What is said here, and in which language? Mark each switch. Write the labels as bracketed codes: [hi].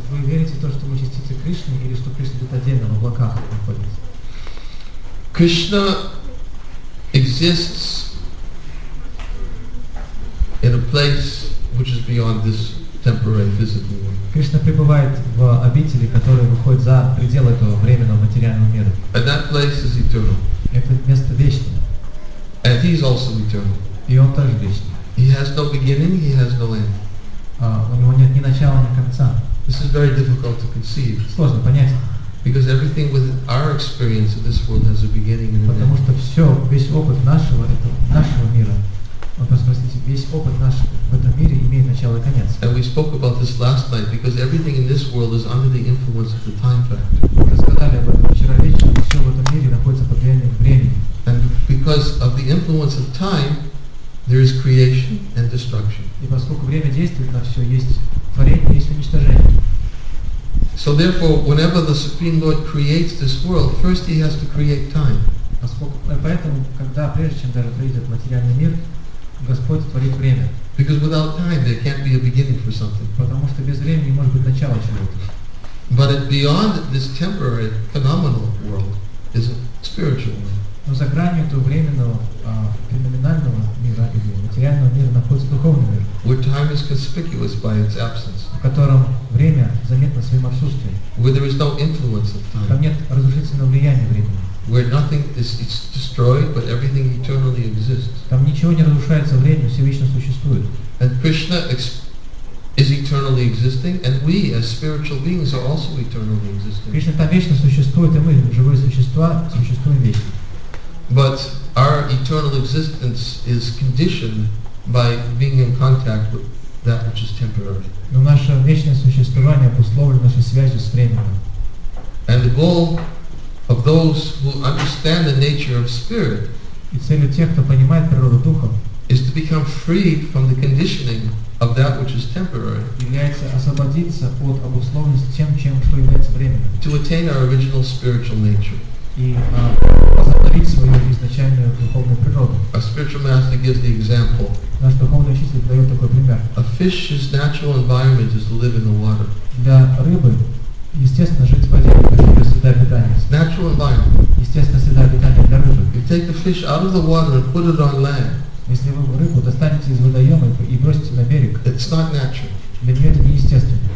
[ru] Вы верите в то, что мы частицы Кришны или что Кришна где-то отдельно в облаках находится? [en] Krishna exists in a place which is beyond this temporary physical world. [ru] Кришна пребывает в обители, которая выходит за пределы этого временного материального мира. [en] And that place is eternal. [ru] Это место вечное. [en] And he is also eternal. [ru] И он тоже вечный. [en] He has no beginning, he has no end. [ru] У него нет ни начала, ни конца. [en] This is very difficult to conceive. [ru] Сложно понять. [en] Because everything with our experience of this world has a beginning and an end. [ru] Потому что все, весь опыт нашего мира. Вот, посмотрите, весь опыт наш в этом мире имеет начало и конец. [en] And we spoke about this last night, because everything in this world is under the influence of the time factor. [ru] Мы рассказали об этом вчера вечером, все в этом мире находится под влиянием времени. [en] And because of the influence of time, there is creation and destruction. [ru] И поскольку время действует на все, есть творение, есть уничтожение. [en] So therefore, whenever the Supreme Lord creates this world, first he has to create time. [ru] Поэтому, когда, прежде чем даже творить этот материальный мир, Господь творит время. [en] Because without time there can't be a beginning for something. [ru] Потому что без времени не может быть начало чего-то. [en] But beyond this temporary phenomenal world is a spiritual world. [ru] Но за гранью этого временного, феноменального мира или материального мира находится духовный мир. [en] Where time is conspicuous by its absence. [ru] В котором время заметно своим отсутствием. [en] Where there is no influence of time. [ru] Там нет разрушительного влияния времени. [en] Where nothing is it's destroyed, but everything eternally exists. [ru] Там ничего не разрушается, время все вечно существует. [en] And Krishna is eternally existing, and we as spiritual beings are also eternally existing. [ru] Кришна там вечно существует, и мы живые существа существуем вечно. [en] But our eternal existence is conditioned by being in contact with that which is temporary. [ru] Но наше вечное существование обусловлено нашей связью с временем. [en] And the goal of those who understand the nature of spirit is to become freed from the conditioning of that which is temporary. [ru] Является освободиться от обусловленности тем, чем что является временным. [en] To attain our original spiritual nature. [ru] Восстановить свою изначальную духовную природу. [en] Our spiritual master gives the example. [ru] Наш духовный учитель дает такой пример. [en] A fish's natural environment is to live in the water. [ru] Для рыбы естественно жить в воде. [en] Natural environment. [ru] Естественная среда обитания для рыбы. [en] You take the fish out of the water and put it on land. [ru] Если вы рыбу достанете из водоема и бросите на берег, [en] it's not natural. [ru] Для нее это неестественно.